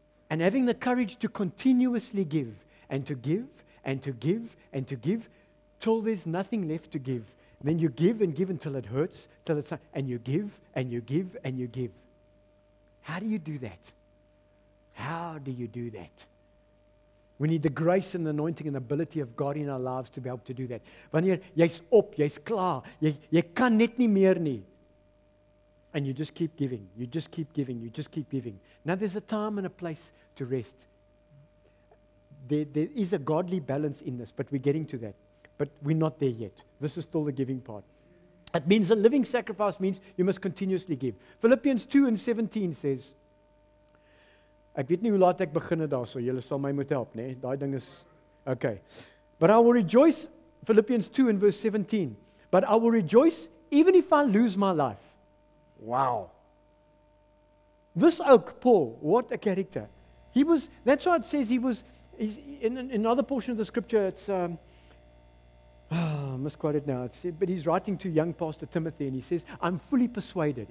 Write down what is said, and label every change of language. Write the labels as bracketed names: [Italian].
[English] And having the courage to continuously give and to give and to give and to give till there's nothing left to give. And then you give and give until it hurts, till it's not, and you give and you give and you give. How do you do that? How do you do that? We need the grace and the anointing and ability of God in our lives to be able to do that. [Afrikaans] Wanneer jy's op, jy's klaar, jy kan net nie meer nie. [English] And you just keep giving. You just keep giving. You just keep giving. Now there's a time and a place to rest. There is a godly balance in this, but we're getting to that. But we're not there yet. This is still the giving part. It means a living sacrifice means you must continuously give. Philippians 2:17 says, [Afrikaans] ek weet nie hoe laat ek begin het daar, so julle sal my moet help, nee? Daai ding is, [English] okay. But I will rejoice, Philippians 2:17. But I will rejoice even if I lose my life. Wow. This ook, Paul, what a character. He was, that's why it says he was, in another portion of the scripture, it's, I misquote it now, but he's writing to young Pastor Timothy, and he says, I'm fully persuaded.